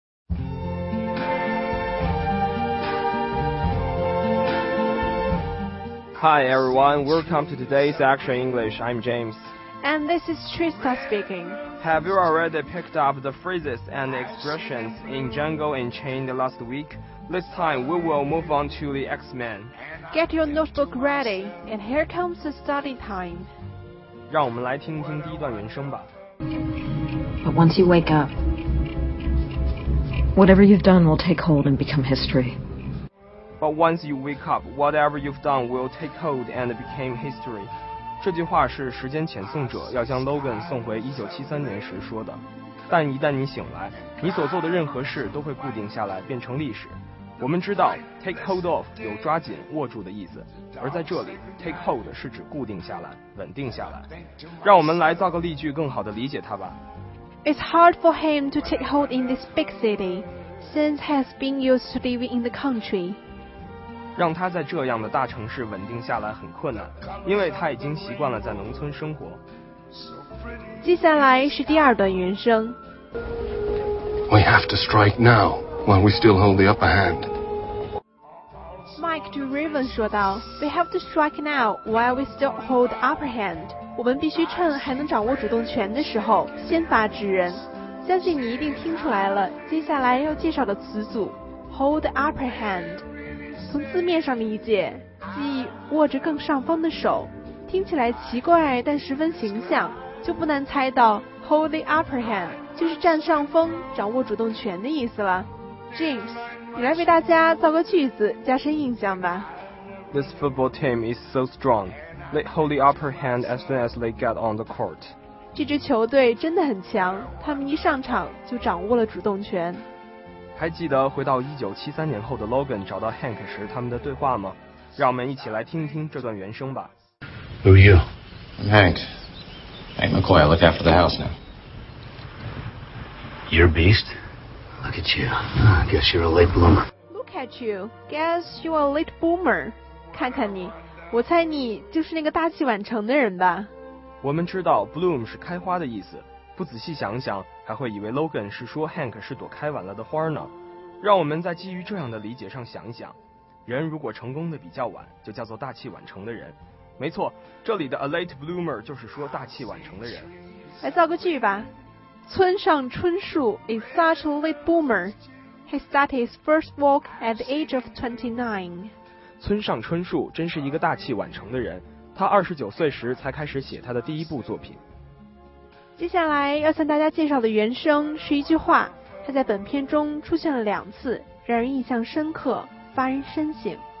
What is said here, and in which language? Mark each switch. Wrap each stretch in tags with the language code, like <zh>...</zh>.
<en>Hi everyone, welcome to today's Action English. I'm James. And this is Trista speaking. Have you already picked up the phrases and expressions in Jungle and Chain the last week? This time we will move on to the X-Men. Get your notebook ready, and here comes the study time.</en> <zh>让我们来听听第一段原声吧。</zh> <en>But once you wake up, whatever you've done will take hold and become history. But once you wake up, whatever you've done will take hold and become history.</en> <zh>这句话是时间遣送者要将 Logan 送回1973年时说的。但一旦你醒来，你所做的任何事都会固定下来，变成历史。我们知道 take hold of 有抓紧、握住的意思，而在这里 take hold 是指固定下来、稳定下来。让我们来造个例句，更好地理解它吧。</zh> <en>It's hard for him to take hold in this big city, since he has been used to living in the country.</en> <zh>让他在这样的大城市稳定下来很困难，因为他已经习惯了在农村生活。接下来是第二段原声。</zh> <en>We have to strike now, while we still hold the upper hand. Mike to Raven 说道 ,We have to strike now, while we still hold the upper hand.</en> <zh>我们必须趁还能掌握主动权的时候先发制人。相信你一定听出来了，接下来要介绍的词组 ,hold the upper hand. 从字面上理解，即握着更上方的手，听起来奇怪但十分形象，就不难猜到 hold the upper hand 就是占上风、掌握主动权的意思了。 James， 你来为大家造个句子，加深印象吧。</zh> <en>This football team is so strong. They hold the upper hand as soon as they get on the court.</en> <zh>这支球队真的很强，他们一上场就掌握了主动权。还记得回到1973年后的 Logan 找到 Hank 时他们的对话吗？让我们一起来听听这段原声吧。</zh> <en>Who are you? I'm Hank. Hank McCoy, I look after the house now. You're a beast? Look at you. I guess you're a late bloomer. Look at you. Guess you're a late bloomer.</en> <zh>看看你，我猜你就是那个大器晚成的人吧。我们知道 bloom 是开花的意思。不仔细想想，还会以为 Logan 是说 Hank 是朵开晚了的花呢。让我们在基于这样的理解上想一想，人如果成功的比较晚，就叫做大器晚成的人。没错，这里的 a late bloomer 就是说大器晚成的人。来造个句吧。</zh> <en>村上春树 is such a late bloomer. He started his first walk at the age of 29.</en> <zh>村上春树真是一个大器晚成的人，他29岁时才开始写他的第一部作品。接下来要向大家介绍的原声是一句话，它在本片中出现了两次，让人印象深刻，发人深省。</zh>